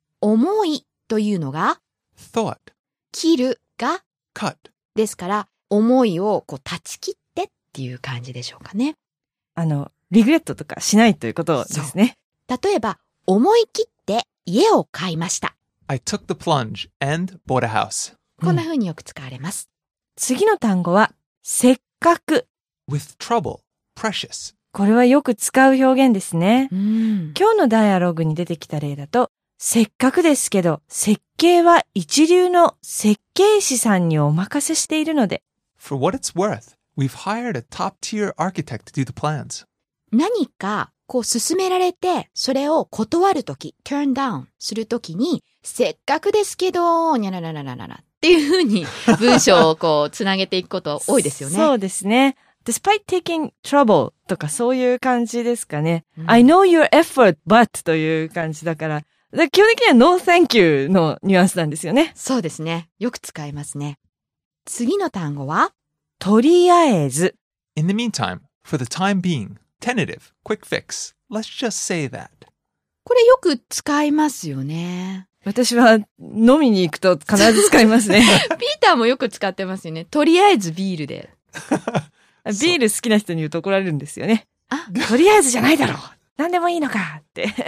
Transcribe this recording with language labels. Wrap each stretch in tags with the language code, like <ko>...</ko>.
<ja>思いというのが、</ja> <en>thought。</en> <ja>切るが、</ja> <en>cut。</en> <ja>ですから、思いをこう断ち切ってっていう感じでしょうかね。リグレットとかしないということですね。例えば、思い切って家を買いました。</ja> <en>I took the plunge and bought a house.</en> <ja>こんな風によく使われます。うん、次の単語は、せっかく。</ja> <en>With trouble, precious.</en> <ja>これはよく使う表現ですね。うん、今日のダイアログに出てきた例だと、せっかくですけど、設計は一流の設計士さんにお任せしているので。</ja> <en>For what it's worth, we've hired a top-tier architect to do the plans.</en> <ja>何か、こう進められてそれを断るとき、</ja> <en>turn down</en> <ja>するときに、せっかくですけどにゃららららららっていうふうに文章をこうつなげていくこと多いですよね。そうですね。</ja> <en>despite taking trouble</en> <ja>とかそういう感じですかね、うん、</ja> <en>I know your effort but</en> <ja>という感じだから、で基本的には</ja> <en>no thank you</en> <ja>のニュアンスなんですよね。そうですね。よく使いますね。次の単語はとりあえず。</ja> <en>in the meantime, for the time beingTentative, quick fix. Let's just say that.</en> <ja>これよく使いますよね。私は飲みに行くと必ず使いますね。ピーターもよく使ってますよね。とりあえずビールで。ビール好きな人に言うと怒られるんですよね。あ、とりあえずじゃないだろう。何でもいいのかって。</ja>